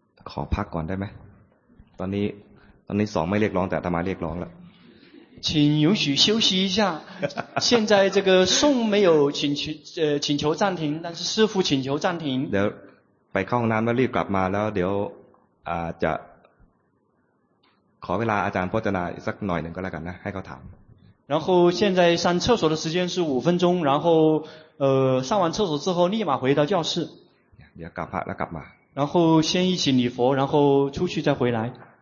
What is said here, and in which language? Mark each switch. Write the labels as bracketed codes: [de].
[th] ขอพักก่อนได้ไหมตอนนี้สองไม่เรียกร้องแต่อาตมาเรียกร้องแล้ว [zh] 请允许休息一下现在这个送没有请求暂停但是师父请求暂停 [th] เดี๋ยวไปเข้าห้องน้ำแล้วรีบกลับมาแล้วเดี๋ยวจะขอเวลาอาจารย์พจนาสักหน่อยหนึ่งก็แล้วกันนะให้เขาถาม [zh] 然后现在上厕所的时间是五分钟然后上完厕所之后立马回到教室 [th] เดี๋ยวกลับพักแล้วกลับมา [zh] 然后先一起礼佛，然后出去再回来。